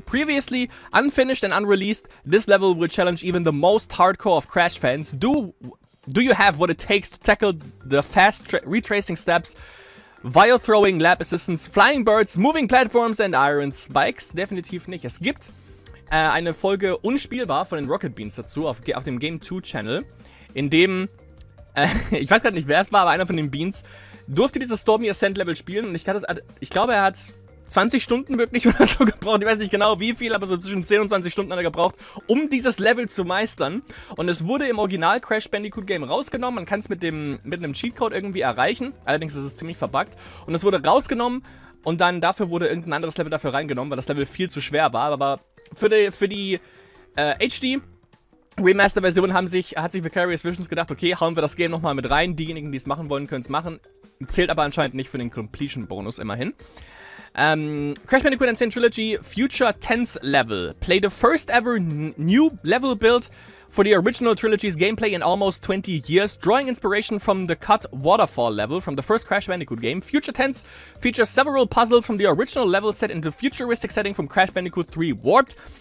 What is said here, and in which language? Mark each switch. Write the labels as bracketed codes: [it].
[en] Previously unfinished and unreleased, this level will challenge even the most hardcore of Crash fans. Do you have what it takes to tackle the fast retracing steps, vile throwing lab assistants, flying birds, moving platforms and iron spikes? [de] Definitiv nicht. Es gibt eine Folge unspielbar von den Rocket Beans dazu auf dem Game 2 Channel, in dem, ich weiß gerade nicht wer es war, aber einer von den Beans durfte dieses Stormy Ascent Level spielen und ich glaube er hat 20 Stunden wirklich oder so gebraucht, ich weiß nicht genau wie viel, aber so zwischen 10 und 20 Stunden hat er gebraucht, um dieses Level zu meistern. Und es wurde im Original Crash Bandicoot Game rausgenommen, man kann es mit einem Cheatcode irgendwie erreichen, allerdings ist es ziemlich verbuggt. Und es wurde rausgenommen und dann dafür wurde irgendein anderes Level dafür reingenommen, weil das Level viel zu schwer war. Aber für die HD Remaster Version hat sich Vicarious Visions gedacht, okay, hauen wir das Game nochmal mit rein, diejenigen die es machen wollen können es machen, zählt aber anscheinend nicht für den Completion Bonus immerhin. [en] Crash Bandicoot N10 Trilogy Future Tense Level. Play the first ever new level build for the original trilogy's gameplay in almost 20 years, drawing inspiration from the cut waterfall level from the first Crash Bandicoot game. Future Tense features several puzzles from the original level set in the futuristic setting from Crash Bandicoot 3 Warped.